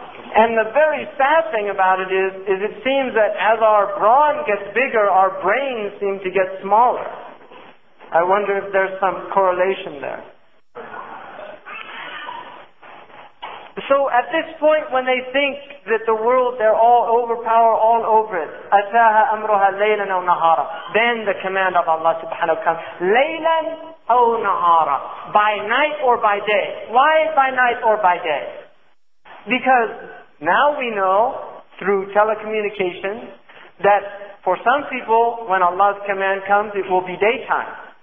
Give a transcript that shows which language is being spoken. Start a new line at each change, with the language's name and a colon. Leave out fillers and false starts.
English: And the very sad thing about it is it seems that as our brawn gets bigger, our brains seem to get smaller. I wonder if there's some correlation there. So at this point, when they think that the world, they're all overpower all over it.
Arabic: أَتَاهَا أَمْرُهَا لَيْلًا أَوْ نَهَارًا.
English: Then the command of Allah subhanahu wa ta'ala,
Arabic: لَيْلًا أَوْ نَهَارًا.
English: By night or by day. Why by night or by day? Because now we know, through telecommunications, that for some people, when Allah's command comes, it will be daytime.